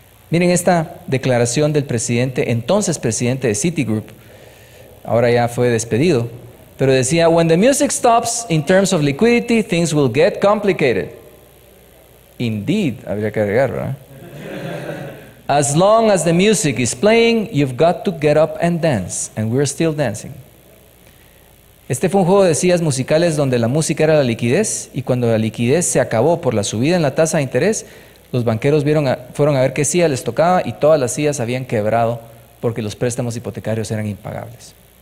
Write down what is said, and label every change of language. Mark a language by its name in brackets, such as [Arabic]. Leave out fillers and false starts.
[Spanish] Miren esta declaración del presidente, entonces presidente de Citigroup, ahora ya fue despedido, pero decía: [English] "When the music stops in terms of liquidity, things will get complicated." [Spanish] Indeed, habría que agregar, ¿verdad? [English] "As long as the music is playing, you've got to get up and dance, and we're still dancing." [Spanish] Este fue un juego de sillas musicales donde la música era la liquidez, y cuando la liquidez se acabó por la subida en la tasa de interés, los banqueros fueron a ver qué silla les tocaba, y todas las sillas habían quebrado porque los préstamos hipotecarios eran impagables.